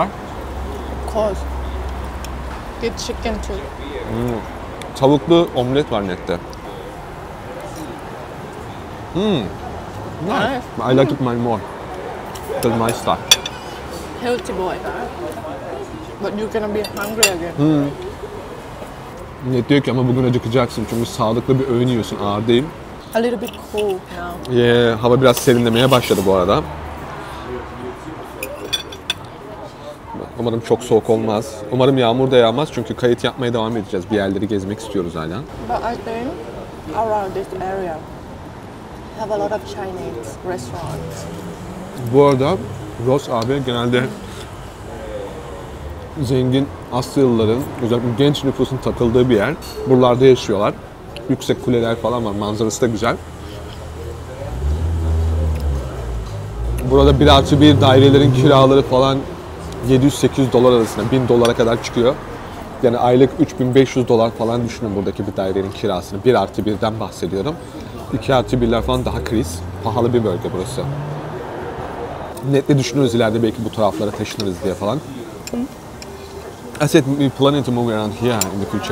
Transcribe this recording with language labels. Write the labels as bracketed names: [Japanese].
[English] Of course. Get chicken too. [Turkish] Mmm. Tavuklu omlet var nette. Hmm. [English] Nice. I like it much more than my stuff. Healthy boy. But you're gonna be hungry again. [Turkish] Hmm. Net diyor ki ama bugün acıkacaksın çünkü sağlıklı bir öğün yiyorsun, ağır değil. [English] A little bit cool now. [Turkish] Yeah, hava biraz serinlemeye başladı bu arada. Umarım çok soğuk olmaz. Umarım yağmur da yağmaz çünkü kayıt yapmaya devam edeceğiz. Bir yerleri gezmek istiyoruz hala. [English] But I think around this area have a lot of Chinese restaurants. [Turkish] Bu arada Ross abi genelde zengin Asyalıların, özellikle genç nüfusun takıldığı bir yer. Buralarda yaşıyorlar. Yüksek kuleler falan var. Manzarası da güzel. Burada 1+1 dairelerin kiraları falan 700-800 dolar arasında, 1000 dolara kadar çıkıyor. Yani aylık 3500 dolar falan düşünün buradaki bir dairenin kirasını. 1+1'den bahsediyorum. 2+1'ler falan daha kriz. Pahalı bir bölge burası. Netle düşünürüz ileride belki bu taraflara taşınırız diye falan. [English] I said we planning to move around here in the future.